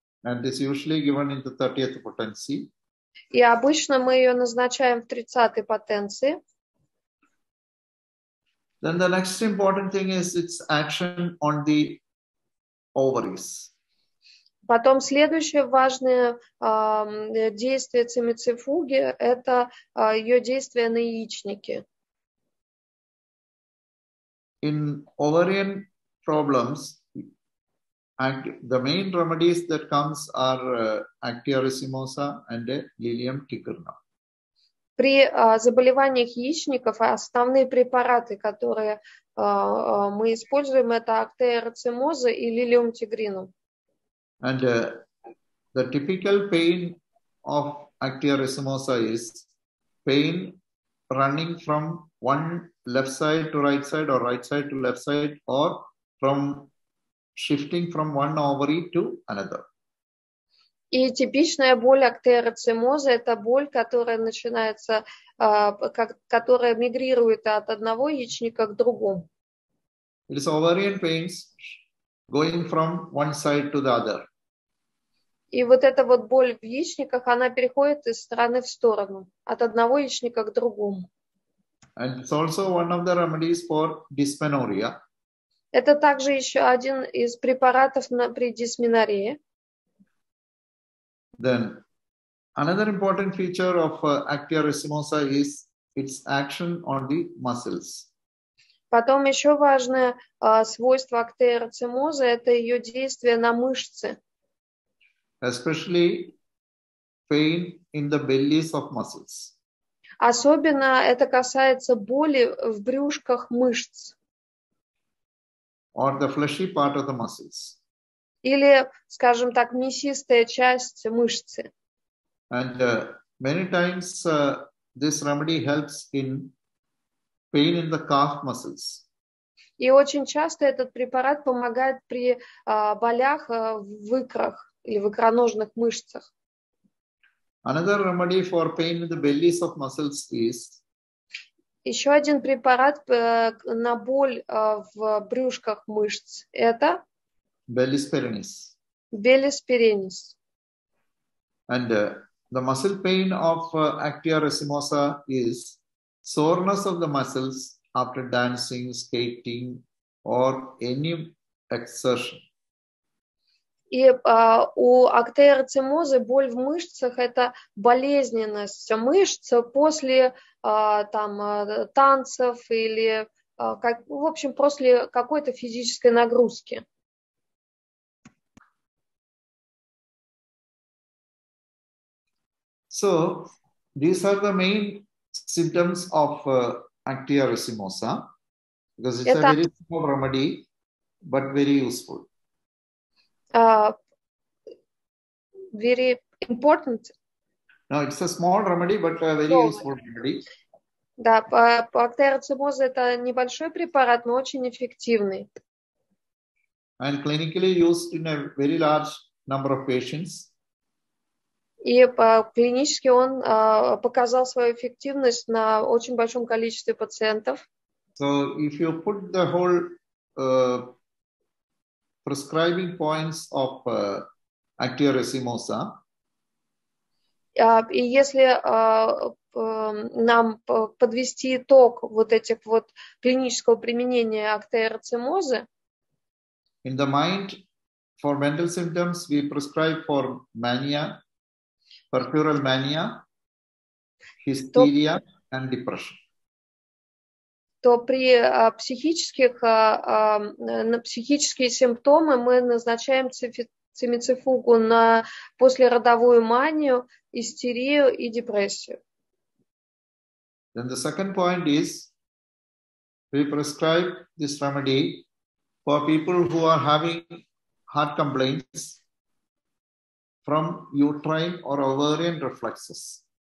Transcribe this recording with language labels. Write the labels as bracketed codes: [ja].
[en] And this usually given in the 30th potency. [ru] И обычно мы ее назначаем в 30-й потенции. [en] Then the next important thing is its action on the ovaries. [ru] Потом следующее важное действие цимицефуги – это ее действие на яичники. [en] In ovarian problems, the main remedies that comes are Actia racemosa and Lilium tichernum. [ru] При заболеваниях яичников основные препараты, которые мы используем, это Actaea racemosa и Lilium tigrinum. [en] And the typical pain of Actaea racemosa is pain running from one left side to right side or right side to left side or from shifting from one ovary to another. [ru] И типичная боль Actaea racemosa – это боль, которая начинается, которая мигрирует от одного яичника к другому. [en] It is ovarian pains going from one side to the other. [ru] И вот эта вот боль в яичниках, она переходит из стороны в сторону, от одного яичника к другому. [en] And it's also one of the remedies for dyspenorrhea. [ru] Это также еще один из препаратов при дисменорее. [en] Then, another important feature of Actaea racemosa is its action on the muscles. [ru] Потом еще важное свойство Actaea racemosa – это ее действие на мышцы. [en] Especially pain in the bellies of muscles. [ru] Особенно это касается боли в брюшках мышц. [en] Or the fleshy part of the muscles. [ru] Или, скажем так, мясистая часть мышцы. [en] And many times this remedy helps in pain in the calf muscles. [ru] И очень часто этот препарат помогает при болях в икрах. Или в икроножных мышцах. [en] Another remedy for pain in the bellies of muscles is. [ru] Еще один препарат на боль в брюшках мышц это. [en] Bellis perennis. [ru] Bellis perennis. [en] And the muscle pain of Actaea racemosa is soreness of the muscles after dancing, skating or any exertion. [ru] И у Actaea racemosa боль в мышцах – это болезненность мышц после там, танцев или, как, в общем, после какой-то физической нагрузки. [en] So, these are the main symptoms of Actaea racemosa, because it's a very small remedy, but very useful. Very important. No, it's a small remedy, but a very useful remedy. [ru] Да, Actaea racemosa это небольшой препарат, но очень эффективный. [en] And clinically used in a very large number of patients. [ru] И клинически он показал свою эффективность на очень большом количестве пациентов. [en] So if you put the whole prescribing points of Actaea racemosa. [ru] И если нам подвести итог вот этих вот клинического применения Actaea racemosa. [en] In the mind, for mental symptoms, we prescribe for mania, peripheral mania, hysteria, and depression. [ru] То при психических, на психические симптомы мы назначаем цимицефугу на послеродовую манию, истерию и депрессию. [en] Then the second point is, we prescribe this remedy for people who are having heart complaints from uterine or ovarian reflexes.